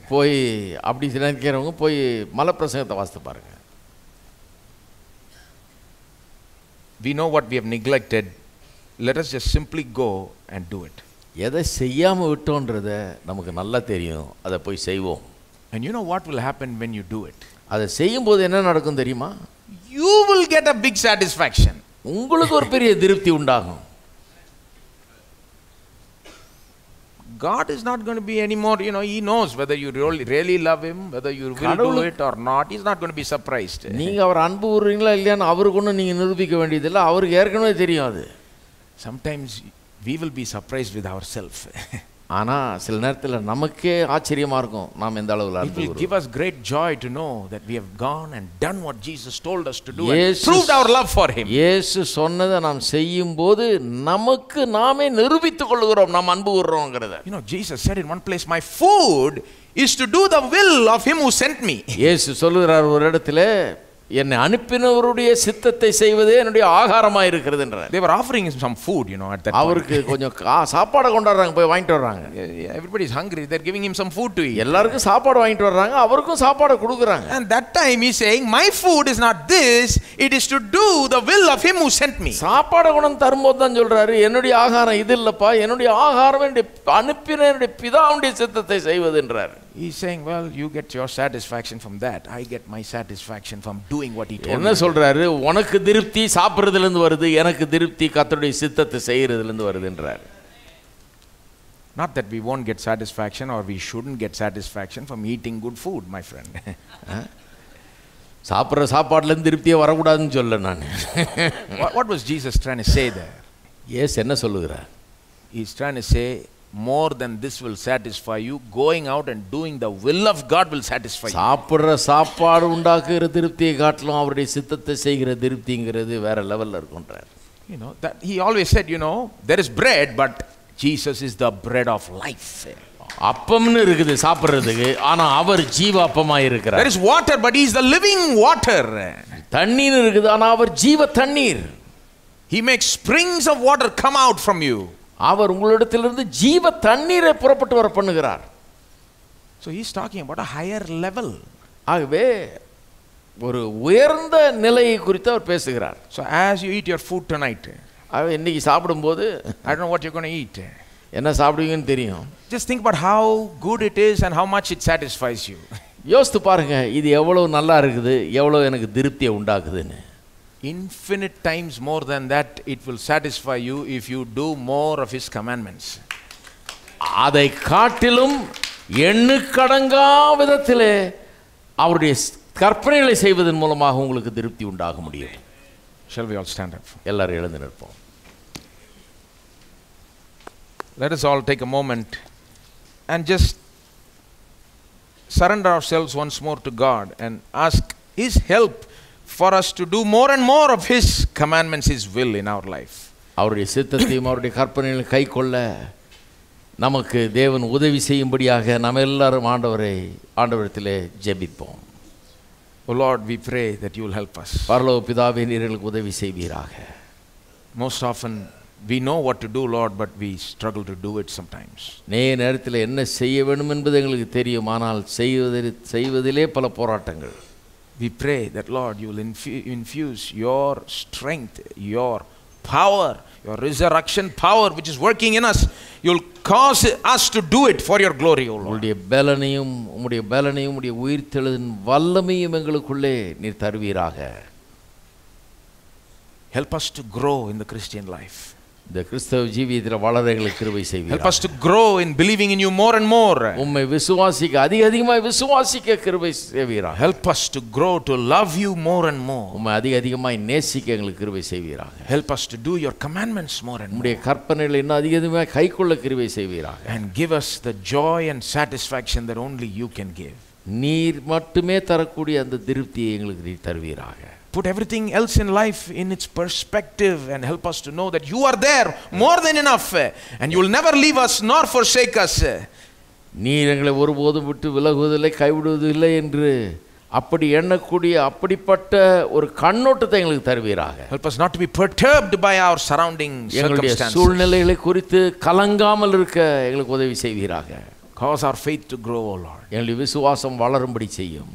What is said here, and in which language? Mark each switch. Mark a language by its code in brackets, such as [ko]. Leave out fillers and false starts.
[ta] போய் அப்படி சில கேட்குறவங்க போய் மலைப்பிரசங்கத்தை வாசித்து பாருங்க. [en] We know what we have neglected. Let us just simply go and do it. [ta] எதை செய்யாமல் விட்டோன்றதை நமக்கு நல்லா தெரியும், அதை போய் செய்வோம். [en] And you know what will happen when you do it? [ta] அதை செய்யும்போது என்ன நடக்கும் தெரியுமா? [en] You will get a big satisfaction. [ta] உங்களுக்கு ஒரு பெரிய திருப்தி உண்டாகும். [en] God is not going to be any more, you know, he knows whether you really love him, whether you will do it or not. He's not going to be surprised. [ta] நீங்க அவர் அன்பு உறுறீங்களா இல்லையானு அவருக்குன்னு நீங்க நிரூபிக்க வேண்டியது இல்லை, அவருக்கு ஏற்கனவே தெரியாது. [en] Sometimes we will be surprised with ourselves. [ta] ஆனால் சில நேரத்தில் நமக்கே ஆச்சரியமாக இருக்கும் நாம் எந்த அளவில் அன்பு. [en] It will give us great joy to know that we have gone and done what Jesus told us to do and proved our love for him. [ta] இயேசு சொன்னதை நாம் செய்யும்போது நமக்கு நாமே நிரூபித்துக் கொள்கிறோம் நாம் அன்பு கூறுறோங்கிறத. [en] You know, Jesus said in one place, my food is to do the will of him who sent me. [ta] இயேசு சொல்கிறார் ஒரு இடத்துல, என்னை அனுப்பினவருடைய சித்தத்தை செய்வதே என்னுடைய ஆகாரமாக இருக்கிறது என்றார். [en] They were offering him some food, you know, at that time. [ta] அவருக்கு கொஞ்சம் சாப்பாடு கொண்டாடுறாங்க, போய் வாங்கிட்டு வர்றாங்க. [en] Everybody is hungry, they're giving him some food to eat. [ta] எல்லாருக்கும் சாப்பாடு வாங்கிட்டு வர்றாங்க, அவருக்கும் சாப்பாடு கொடுக்குறாங்க. [en] And that time he's saying, my food is not this, it is to do the will of him who sent me. [ta] சாப்பாடு கொண்டு தரும்போது தான் சொல்றாரு, என்னுடைய ஆகாரம் இது இல்லப்பா, என்னுடைய ஆகாரம் அனுப்பின என்னுடைய பிதாவுடைய சித்தத்தை செய்வது என்றார். [en] He's saying, well, you get your satisfaction from that. I get my satisfaction from doing what he told me. [ta] என்ன சொல்றாரு? உனக்கு திருப்தி சாப்பிடுறதுல இருந்து வருது, எனக்கு திருப்தி கர்த்தருடைய சித்தத்தை செய்யறதுல இருந்து வருதுன்றார். [en] Not that we won't get satisfaction or we shouldn't get satisfaction from eating good food, my friend. [ta] சாப்பிடுற சாப்பாடுல இருந்து திருப்தியே வரக்கூடாதுன்னு சொல்ல நான். [en] What was Jesus trying to say there? Yes, [ta] என்ன சொல்லுகிறார்? [en] He's trying to say, more than this will satisfy you, going out and doing the will of God will satisfy you. [ta] சாப்பிடுற சாப்பாடு உண்டாக்குற திருப்தியை காட்டிலும் அவருடைய சித்தத்தை செய்கிற திருப்திங்கிறது வேற லெவல்ல இருக்குன்றார். [en] You know, that he always said, you know, there is bread, but Jesus is the bread of life. [ta] அப்பம்னு இருக்குது சாப்பிடுறதுக்கு, ஆனா அவர் ஜீவ அப்பமா இருக்கிறார். [en] There is water, but he is the living water. [ta] தண்ணீர் இருக்குது, ஆனா அவர் ஜீவ தண்ணீர். [en] He makes springs of water come out from you. [ta] அவர் உங்களிடத்திலிருந்து ஜீவ தண்ணீரை புறப்பட்டு வர பண்ணுகிறார். [en] So he's talking about a higher level. [ta] ஆகவே ஒரு உயர்ந்த நிலையை குறித்து அவர் பேசுகிறார். [en] So as you eat your food tonight. [ta] ஆகவே இன்னைக்கு சாப்பிடும்போது, [en] I don't know what you're going to eat. [ta] என்ன சாப்பிடுவீங்கன்னு தெரியும். [en] Just think about how good it is and how much it satisfies you. [ta] யோசித்து பாருங்க, இது எவ்வளவு நல்லா இருக்குது, எவ்வளவு எனக்கு திருப்தியை உண்டாக்குதுன்னு. [en] Infinite times more than that it will satisfy you if you do more of his commandments. [ta] அதை காட்டிலும் எண்ணுக்கடங்கா விதத்திலே அவருடைய கற்பனைகளை செய்வதன் மூலமாக உங்களுக்கு திருப்தி உண்டாக முடியும். [en] Shall we all stand up? [ta] எல்லாரும் எழுந்து நிற்போம். [en] Let us all take a moment and just surrender ourselves once more to God and ask his help for us to do more and more of his commandments, his will in our life. [ta] அவருடைய சித்தத்தையும் அவருடைய கற்பனைகளையும் கைக்கொள்ள நமக்கு தேவன் உதவி செய்யும்படியாக நாம் எல்லாரும் ஆண்டவரே ஆண்டவரத்தில் ஜெபிப்போம். [en] Oh Lord, we pray that you will help us. [ta] பரலோக பிதாவே நீர் எங்களுக்கு உதவி செய்வீராக. [en] Most often we know what to do Lord, but we struggle to do it sometimes. [ta] நீ நேரத்தில் என்ன செய்ய வேண்டும் என்பது எங்களுக்கு தெரியும், ஆனால் செய்வதிலே பல போராட்டங்கள். [en] We pray that Lord you will infuse your strength, your power, your resurrection power which is working in us. You'll cause us to do it for your glory, O Lord. [ta] உம்முடைய பலனையும் உம்முடைய உயிர்த்தெழுதின் வல்லமையும் எங்களுக்குள்ளே நீர் தருவீராக. [en] Help us to grow in the Christian life. The [ta] கிறிஸ்தவ ஜீவியத்தில் வளர எங்களுக்கு கிருபை செய்வீராக. [en] Help us to grow in believing in you more and more. [ta] உம்மை விசுவாசிக்க அதிகமாய் விசுவாசிக்க கிருபை செய்வீராக. [en] Help us to grow to love you more and more. [ta] உம்மை அதிகமாய் நேசிக்க எங்களுக்கு கிருபை செய்வீராக. [en] Help us to do your commandments more and more. [ta] உம்முடைய கற்பனைகளை இன்னும் அதிகமாய் கைக்கொள்ள கிருபை செய்வீராக. [en] And give us the joy and satisfaction that only you can give. [ta] நீர் மட்டுமே தரக்கூடிய அந்த திருப்தியை எங்களுக்கு நீர் தருவீராக. [en] Put everything else in life in its perspective and help us to know that you are there more than enough and you will never leave us nor forsake us. [ta] நீங்களே ஒரு போது விட்டு விலகுவதில்லை கைவிடுவதில்லை என்று அப்படி எண்ணக்கூடிய அப்படிப்பட்ட ஒரு கண்ணோட்டத்தை எங்களுக்கு தருவீராக. [en] Help us not to be perturbed by our surrounding circumstances. [ta] சூழ்நிலைகளை குறித்து கலங்காமல் இருக்க எங்களுக்கு உதவி செய்வீராக. [en] Cause our faith to grow, O Lord. [ta] எங்களுடைய விசுவாசம் வளரும்படி செய்யும்.